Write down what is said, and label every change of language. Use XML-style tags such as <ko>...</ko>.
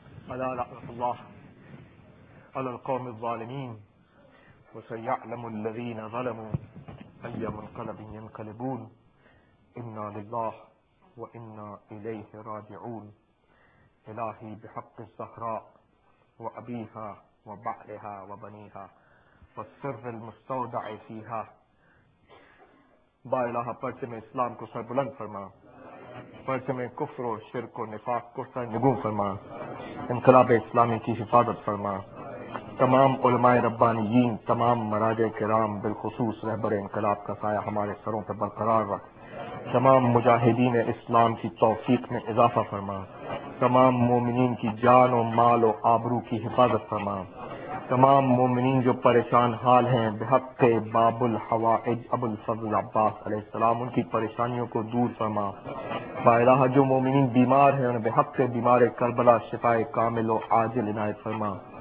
<ar>الا لعنت الله على القوم الظالمين وسيعلم الذين ظلموا اي منقلب ينقلبون. انا لله وانا اليه راجعون. الهي بحق الزهراء وابيها وبعلها وبنيها والسر المستودع فيها.</ar> <ur>با الہ پرچم اسلام کو سربلند فرما، پرچم کفر و شرک و نفاق کو سرنگون فرما، انقلاب اسلامی کی حفاظت فرما. تمام علماء ربانیین، تمام مراجع کرام، بالخصوص رہبر انقلاب کا سایہ ہمارے سروں پہ برقرار رکھ. تمام مجاہدین اسلام کی توفیق میں اضافہ فرما، تمام مومنین کی جان و مال و آبرو کی حفاظت فرما، تمام مومنین جو پریشان حال ہیں بحق باب الحوائج ابو الفضل عباس علیہ السلام ان کی پریشانیوں کو دور فرما، بائلہ جو مومنین بیمار ہیں ان بحق بیمار کربلا شفائے کامل و عاجل عنایت فرما،</ur>